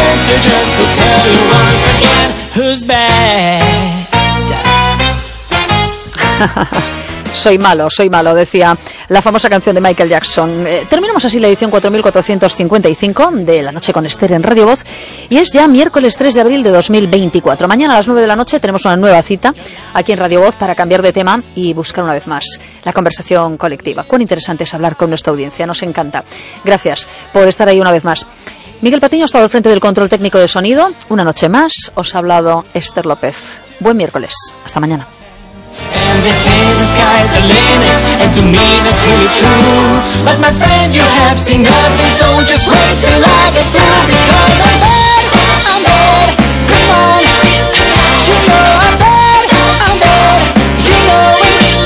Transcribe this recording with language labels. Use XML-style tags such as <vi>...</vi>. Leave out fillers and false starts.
<en>Just to tell you once again who's bad.</en> <es>Soy malo, decía la famosa canción de Michael Jackson. Terminamos así la edición 4455 de La Noche con Esther en Radio Voz. Y es ya miércoles 3 de abril de 2024. Mañana a las 9 de la noche tenemos una nueva cita aquí en Radio Voz para cambiar de tema y buscar una vez más la conversación colectiva. Cuán interesante es hablar con nuestra audiencia, nos encanta. Gracias por estar ahí una vez más. Miguel Patiño ha estado al frente del control técnico de sonido. Una noche más, os ha hablado Esther López. Buen miércoles, hasta mañana.</es> <en>And they say the sky's the limit, and to me that's really true. But my friend, you have seen nothing, so just wait till I get through. Because I'm bad, I'm bad, come on. You know I'm bad, I'm bad, you know it.</en>